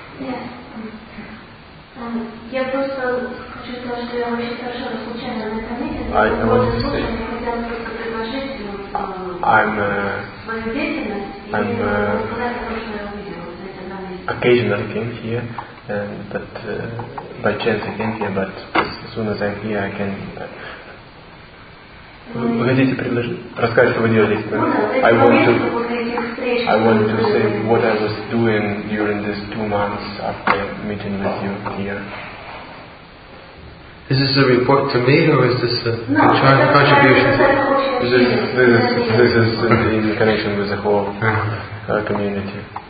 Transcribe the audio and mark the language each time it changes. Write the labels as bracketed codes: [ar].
[en] Yeah. I'm occasionally came here, and but by chance I came here, but. As soon as I'm here, I can... [ru] Вы хотите рассказать, что вы делали? [en] I want to say what I was doing during these 2 months after meeting with you here. Is this a report to me, or is this a contribution? This is in connection with the whole community.